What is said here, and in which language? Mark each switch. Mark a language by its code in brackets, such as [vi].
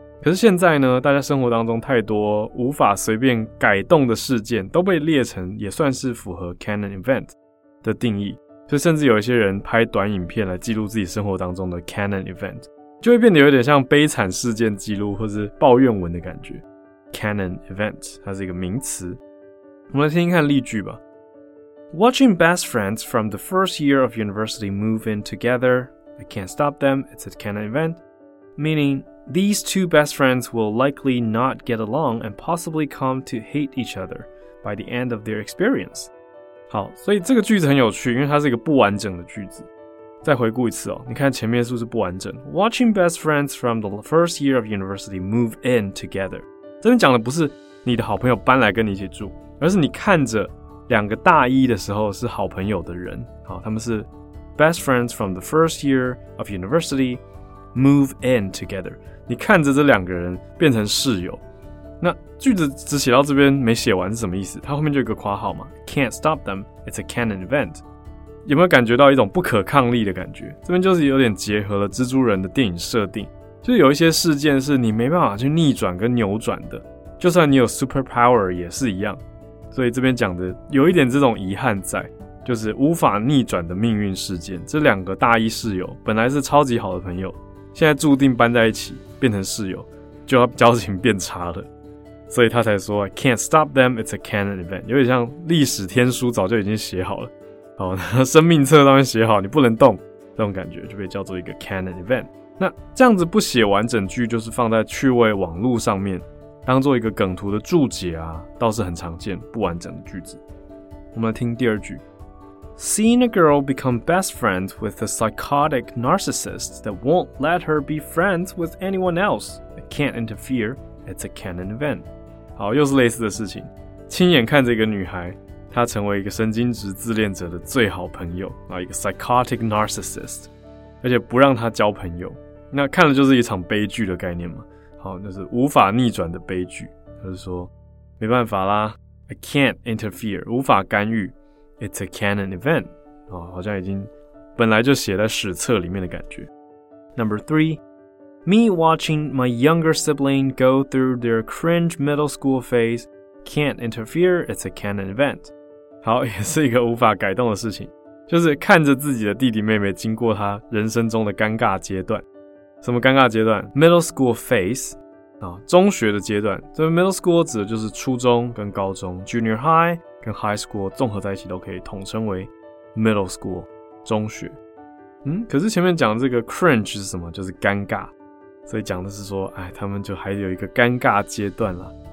[zh] 可是现在呢，大家生活当中太多无法随便改动的事件都被列成也算是符合 canon event 的定义，所以甚至有一些人拍短影片来记录自己生活当中的 canon event， 就会变得有点像悲惨事件记录或是抱怨文的感觉。 canon event 它是一个名词。我们来听一看例句吧。 [en] Watching best friends from the first year of university move in together, I can't stop them, it's a canon event. Meaning, these two best friends will likely not get along and possibly come to hate each other by the end of their experience. [zh] 好，所以这个句子很有趣，因为它是一个不完整的句子。再回顾一次哦，你看前面是不是不完整 ？ [en] Watching best friends from the first year of university move in together， [zh] 这边讲的不是你的好朋友搬来跟你一起住，而是你看着两个大一的时候是好朋友的人，好，他们是 [en] best friends from the first year of university move in together， [zh] 你看着这两个人变成室友。那句子只写到这边没写完是什么意思？它后面就有一个括号嘛 ， [en] Can't stop them, it's a canon event。 [zh] 有没有感觉到一种不可抗力的感觉？这边就是有点结合了蜘蛛人的电影设定，就是有一些事件是你没办法去逆转跟扭转的，就算你有 super power 也是一样。所以这边讲的有一点这种遗憾在，就是无法逆转的命运事件。这两个大一室友本来是超级好的朋友，现在注定搬在一起变成室友，就要交情变差了。所以他才说 [en] can't stop them, it's a canon event， [zh] 有点像历史天书早就已经写好了，好，生命册上面写好你不能动，这种感觉就被叫做一个 canon event。那这样子不写完整句，就是放在趣味网路上面当做一个梗图的注解啊，倒是很常见不完整的句子。我们来听第二句。 [en] Seeing a girl become best friends with a psychotic narcissist that won't let her be friends with anyone else, I can't interfereIt's a canon event。 [zh] 好，又是类似的事情，亲眼看着一个女孩他成为一个神经质自恋者的最好朋友，一个 psychotic narcissist， 而且不让他交朋友。那看了就是一场悲剧的概念嘛，好，就是无法逆转的悲剧。他就说没办法啦， [en] I can't interfere， [zh] 无法干预， [en] It's a canon event， [zh] 好像已经本来就写在史册里面的感觉。 [en] Number three， Me watching my younger sibling go through their cringe middle school phase， Can't interfere， It's a canon event。 [zh] 好，也是一个无法改动的事情，就是看着自己的弟弟妹妹经过他人生中的尴尬阶段。什么尴尬阶段？ Middle school phase，中学的阶段。这 middle school 指的就是初中跟高中， junior high 跟 high school 综合在一起都可以统称为 middle school， 中学。可是前面讲的这个 cringe 是什么？就是尴尬，所以讲的是说，哎，他们就还有一个尴尬阶段啦。